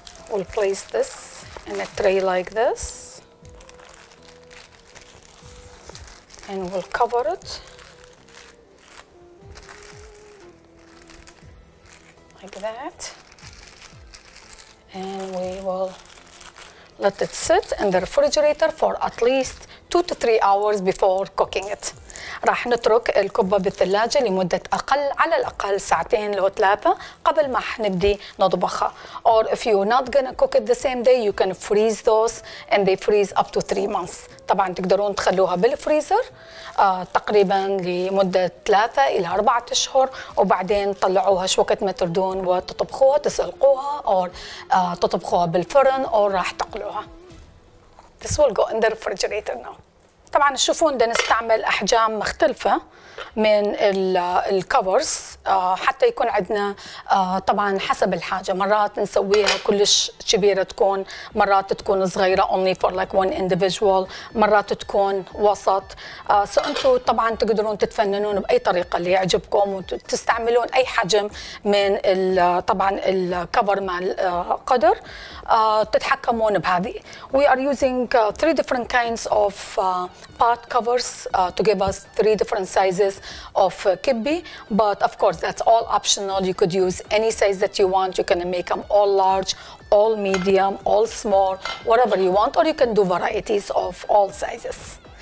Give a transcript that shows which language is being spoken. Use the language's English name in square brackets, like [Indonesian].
[English] We'll place this in a tray like this and we'll cover it like that and we will let it sit in the refrigerator for at least 2 to 3 hours before cooking it. [Arabic] راح نترك الكبة بالثلاجة لمدة أقل على الأقل ساعتين لو ثلاثة قبل ما نبدي نطبخها. [English] Or if you're not gonna cook it the same day, you can freeze those and they freeze up to 3 months. [Arabic] طبعا تقدرون تخلوها بالفريزر تقريبا لمدة 3 إلى 4 أشهر وبعدين تطلعوها شو وقت ما تردون وتطبخوها تسلقوها أو تطبخوها بالفرن أو راح تقلوها. [English] This will go in the refrigerator now. [Arabic] طبعا تشوفون بدنا نستعمل احجام مختلفه من الكفرز حتى يكون عندنا طبعا حسب الحاجه، مرات نسويها كلش كبيره تكون، مرات تكون صغيره [English] only for like one individual، [Arabic] مرات تكون وسط، فانتم طبعا تقدرون تتفننون باي طريقه اللي يعجبكم وتستعملون اي حجم من طبعا الكفر مع القدر تتحكمون بهذه. [English] We are using three different kinds of pot covers to give us three different sizes of kibbe, but of course that's all optional. You could use any size that you want. You can make them all large, all medium, all small, whatever you want, or you can do varieties of all sizes.